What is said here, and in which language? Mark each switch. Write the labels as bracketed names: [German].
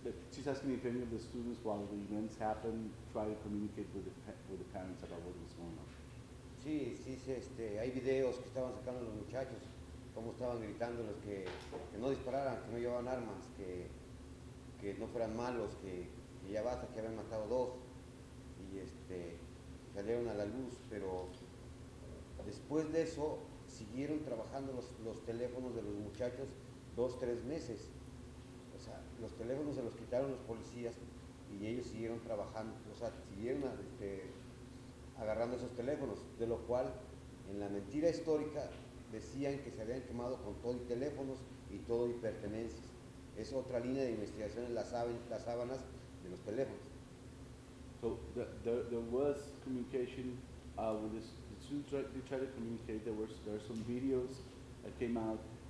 [English] She's asking if any of the students, while the events happened, try to communicate with the parents about what was going on. [Spanish] Sí, sí, hay videos que estaban sacando los muchachos, cómo estaban gritando los que no dispararan, que no llevaban armas, que no fueran malos, que ya basta, que habían matado dos, y salieron a la luz, pero después de eso siguieron trabajando los teléfonos de los muchachos 2-3 meses. O sea, los teléfonos se los quitaron los policías y ellos siguieron trabajando, o sea, siguieron agarrando esos teléfonos, de lo cual en la mentira histórica decían que se habían quemado con todo y teléfonos y todo y pertenencias. Es otra línea de investigación en las sábanas de los teléfonos. [English] So there was communication with the students. They tried to communicate. There were some videos that came out.